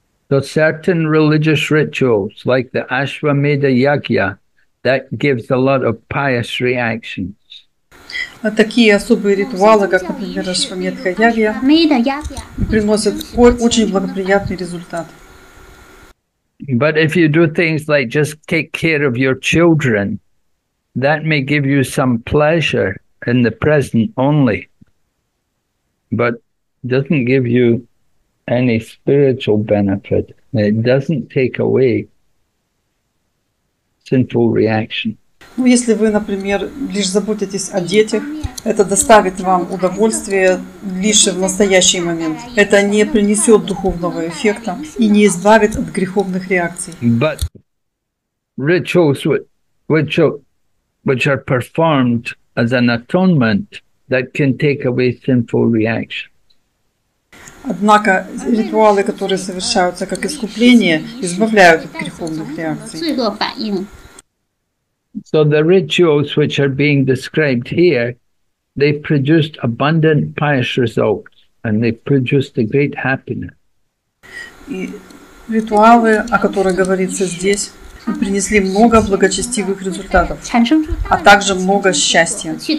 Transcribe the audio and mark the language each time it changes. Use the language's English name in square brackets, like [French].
[English] So certain religious rituals, like the Ashwamedha Yajna, that gives a lot of pious reactions. [Russian] Такие особые ритуалы, как, например, Ашвамедха Яджна, приносят очень благоприятный результат. [English] But if you do things like just take care of your children, that may give you some pleasure in the present only, but doesn't give you any spiritual benefit. It doesn't take away sinful reaction. [Russian] Ну, если вы, например, лишь заботитесь о детях, это доставит вам удовольствие лишь в настоящий момент. Это не принесет духовного эффекта и не избавит от греховных реакций. [English] But rituals which are performed as an atonement that can take away sinful reactions. [Russian] Однако ритуалы, которые совершаются как искупление, избавляют от греховных реакций. [English] So the rituals which are being described here, they produced abundant pious results and they produced a great happiness. [Russian] И ритуалы, о которых говорится здесь, принесли много благочестивых результатов, а также много счастья.